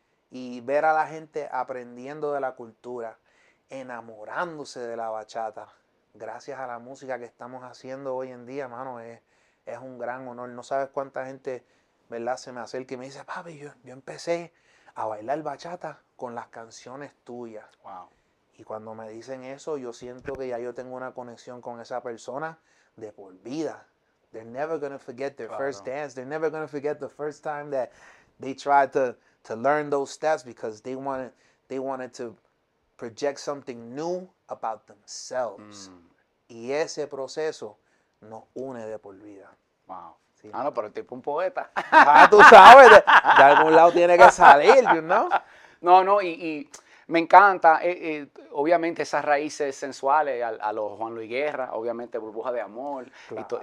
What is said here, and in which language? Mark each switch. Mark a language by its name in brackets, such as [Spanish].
[Spanish] Y ver a la gente aprendiendo de la cultura, enamorándose de la bachata, gracias a la música que estamos haciendo hoy en día, mano, es un gran honor. No sabes cuánta gente... ¿verdad? Se me acerca y me dice, papi, yo empecé a bailar bachata con las canciones tuyas. [English] Wow. [Spanish] Y cuando me dicen eso, yo siento que ya yo tengo una conexión con esa persona de por vida. [English] They're never going to forget their first dance. They're never going to forget the first time that they tried to learn those steps because they wanted to project something new about themselves. Mm. [Spanish] Y ese proceso nos une de por vida. [English] Wow. [Spanish] Ah, no, pero el tipo es un poeta. Ah, tú sabes, de algún lado tiene que salir, [English] you know? [Spanish] No, y me encanta, obviamente, esas raíces sensuales a los Juan Luis Guerra, obviamente, Burbuja de Amor, claro.